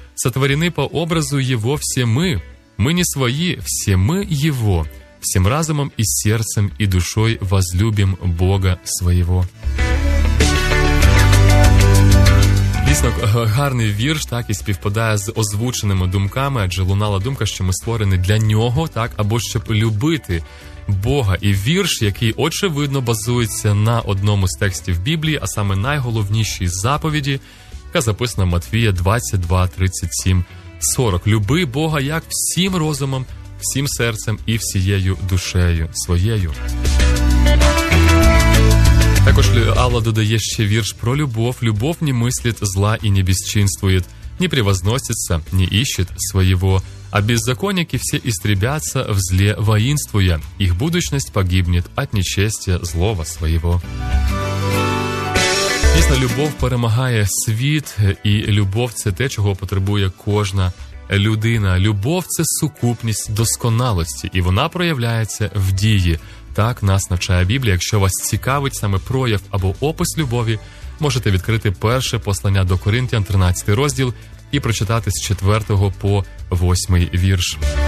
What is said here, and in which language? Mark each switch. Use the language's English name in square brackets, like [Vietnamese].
[Russian] Сотворены по образу Его все мы. Мы не свои, все мы Его. Всем разумом и сердцем и душой возлюбим Бога своего». [Ukrainian] Дійсно, гарний вірш, так, і співпадає з озвученими думками, адже лунала думка, що ми створені для Нього, так, або щоб любити Бога. І вірш, який, очевидно, базується на одному з текстів Біблії, а саме найголовнішій заповіді, яка записана в Матвія 22:37-40. «Люби Бога як всім розумом, всім серцем і всією душею своєю». Також Алла додає ще вірш про любов. [Russian] «Любов не мислит зла и не бесчинствует, не превозносится, не ищет своего. А беззаконники все истребятся в зле воинствуя. Их будущность погибнет от нечестия злого своего». [Ukrainian] Дійсно, любов перемагає світ, і любов – це те, чого потребує кожна людина. Любов – це сукупність досконалості, і вона проявляється в дії. Так нас навчає Біблія. Якщо вас цікавить саме прояв або опис любові, можете відкрити перше послання до Коринтян, 13 розділ, і прочитати з 4 по 8 вірш.